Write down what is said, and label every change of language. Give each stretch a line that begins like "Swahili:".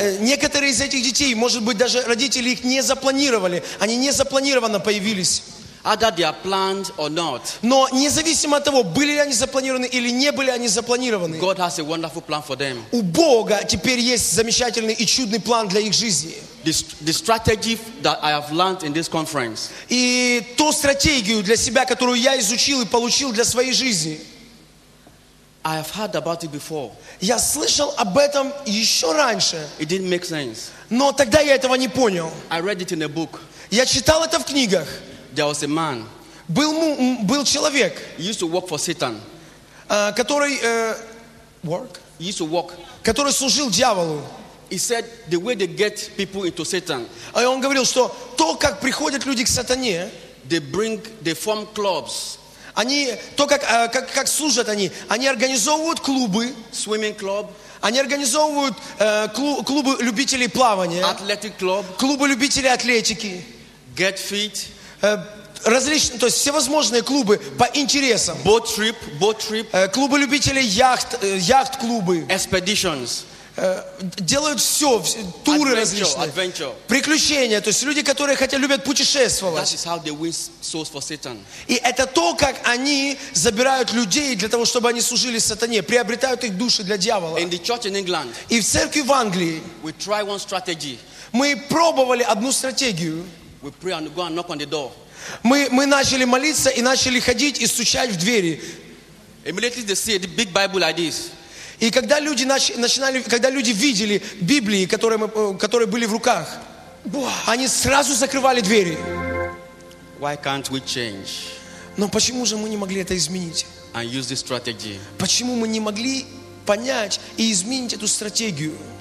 Russian: Некоторые из этих детей, может быть, даже родители их не запланировали. Они не запланированно появились.
English: Either they are planned or not.
Russian: Но независимо от того, были ли они запланированы или не были они запланированы.
English: God has a wonderful plan for them.
Russian: У Бога теперь есть замечательный и чудный план для их жизни.
English: The strategy that I have learned in this conference.
Russian: И ту стратегию для себя, которую я изучил и получил для своей жизни.
English: I have heard about it before.
Russian: Я слышал об этом еще раньше.
English: It didn't make sense.
Russian: Но тогда я этого не понял.
English: I read it in a book.
Russian: Я читал это в книгах.
English: There was a man.
Russian: Был человек.
English: He used to work for Satan. He used to work.
Russian: Который служил дьяволу.
English: He said the way they get people into Satan.
Russian: И он говорил, что то, как приходят люди к сатане.
English: They form clubs.
Russian: Они, то, как служат они организовывают клубы.
English: Swimming club.
Russian: Они организовывают клубы любителей плавания.
English: Athletic club.
Russian: Клубы любителей атлетики.
English: Get fit.
Russian: Различные, то есть всевозможные клубы по интересам.
English: Boat trip.
Russian: Клубы любителей яхт-клубы.
English: Expeditions.
Russian: Делают все туры
English: adventure,
Russian: различные.
English: Adventure.
Russian: Приключения, то есть люди, которые хотят, любят путешествовать.
English: That is how they win souls for Satan.
Russian: И это то, как они забирают людей для того, чтобы они служили сатане, приобретают их души для дьявола.
English: In the church in England,
Russian: и в церкви в Англии
English: we try one strategy.
Russian: Мы пробовали одну стратегию.
English: We pray and go and knock on the door.
Russian: Мы начали молиться и начали ходить и стучать в двери.
English: Immediately they see a big Bible like this.
Russian: И когда люди начинали, когда люди видели Библии, которые были в руках, они сразу закрывали двери.
English: Why can't we change?
Russian: Но почему же мы не могли это изменить?
English: And use this strategy.
Russian: Почему мы не могли понять и изменить эту стратегию?